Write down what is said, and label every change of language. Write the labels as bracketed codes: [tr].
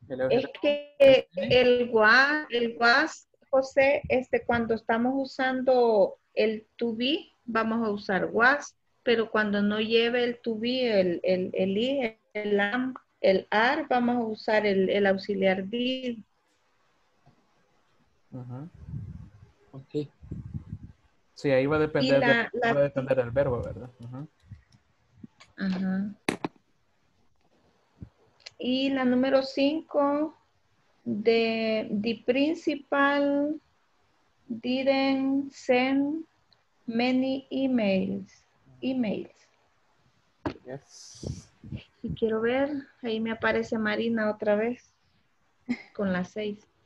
[es] Es que el was, José, cuando estamos usando el to be, vamos a usar was, pero cuando no lleve el to be, el am, el are, vamos a usar el auxiliar did. [en] Okay. [es] Sí, ahí va a depender, va a depender el verbo, ¿verdad? Y la número 5, [en] the principal didn't send many emails. Yes. [es] Y quiero ver, ahí me aparece Marina otra vez con la 6.